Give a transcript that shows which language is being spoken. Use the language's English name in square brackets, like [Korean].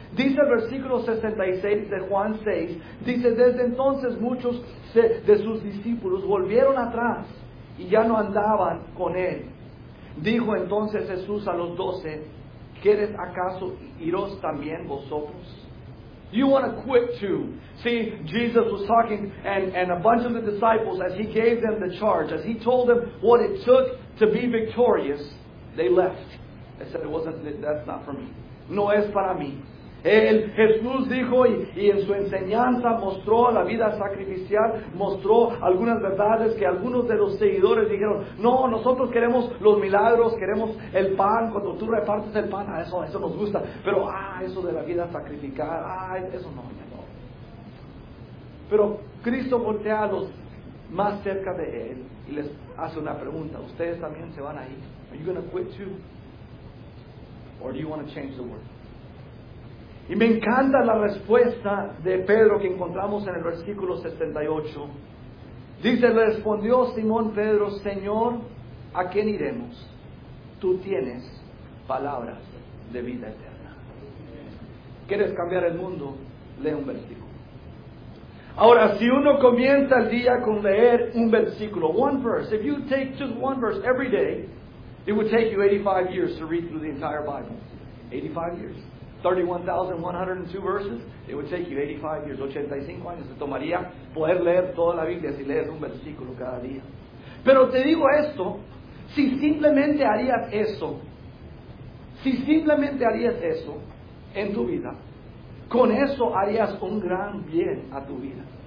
[Spanish] Dice el versículo 66 de Juan 6. Dice, desde entonces muchos de sus discípulos volvieron atrás y ya no andaban con él. Dijo entonces Jesús a los 12, ¿quieres acaso iros también vosotros? [English] You want to quit too. See, Jesus was talking and a bunch of the disciples, as he gave them the charge, as he told them what it took to be victorious, they left. They said, that's not for me. [Spanish] No es para mí. El Jesús dijo y en su enseñanza mostró la vida sacrificial, mostró algunas verdades que algunos de los seguidores dijeron, no, nosotros queremos los milagros, queremos el pan, cuando tú repartes el pan, eso nos gusta, pero eso de la vida sacrificada, eso no. Pero Cristo voltea a los más cerca de él y les hace una pregunta. ¿Ustedes también se van a ir? [English] Are you going to quit too? Or do you want to change the world? [Spanish] Y me encanta la respuesta de Pedro que encontramos en el versículo 78. Dice, respondió Simón Pedro, Señor, ¿a quién iremos? Tú tienes palabras de vida eterna. ¿Quieres cambiar el mundo? Lee un versículo. Ahora, si uno comienza el día con leer un versículo, [English] one verse, if you take just one verse every day, it would take you 85 years to read through the entire Bible. 85 years. 31,102 verses, it would take you 85 years. [Spanish] 85 años te tomaría poder leer toda la Biblia si lees un versículo cada día. Pero te digo esto, si simplemente harías eso, si simplemente harías eso en tu vida, con eso harías un gran bien a tu vida.